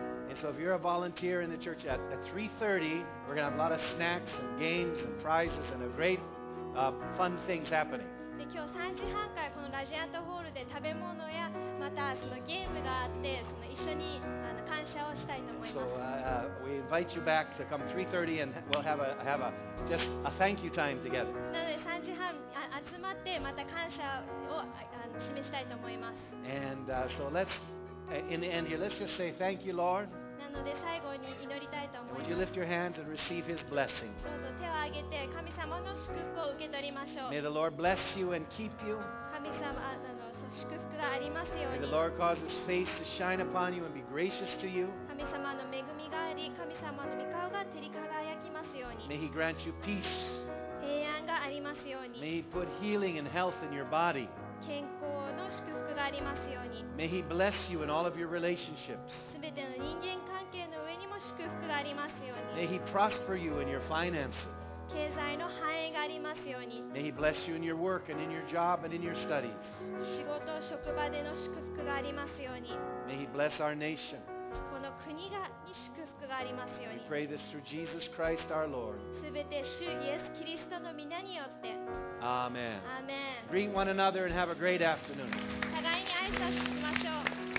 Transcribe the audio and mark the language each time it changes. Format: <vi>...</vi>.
<en>And so if you're a volunteer in the church at 3:30, we're going to have a lot of snacks and games and prizes and a great fun things happening.</en> <ja>で今日3時半からこのラジアントホールで食べ物やまたそのゲームがあってその一緒に感謝をしたいと思います。</ja> <en>So we invite you back to come 3:30 and we'll have a just a thank you time together.</en> <ja>なので3時半集まってまた感謝を示したいと思います。</ja> <en>And so let's in the end here, let's just say thank you, Lord.</en> <ja>なので最後に祈りたいと思います。</ja> <en>Would you lift your hands and receive His blessing?</en> <ja>どうぞ手を挙げて神様の祝福を受け取りましょう。</ja> <en>May the Lord bless you and keep you.</en> <ja>神様あなたの祝福がありますように。</ja> <en>May the Lord cause His face to shine upon you and be gracious to you.</en> <ja>神様の恵みがあり、神様の御顔が照り輝きますように。</ja> <en>May He grant you peace.</en> <ja>平安がありますように。</ja> <en>May He put healing and health in your body.</en> <ja>健康の祝福がありますように。</ja> <en>May He bless you in all of your relationships.</en> <ja>すべての人間関係の上にも祝福がありますように。</ja> <en>May He prosper you in your finances.</en> <ja>経済の繁栄がありますように。</ja> <en>May He bless you in your work and in your job and in your studies.</en> <ja>仕事、職場での祝福がありますように。</ja> <en>May He bless our nation.</en> <ja>この国がに祝福がありますように。</ja> <en>We pray this through Jesus Christ our Lord.</en> <ja>すべて主イエス・キリストの皆によって。</ja> <en>Amen. Amen. Greet one another and have a great afternoon.</en> <ja>互いに挨拶しましょう。</ja>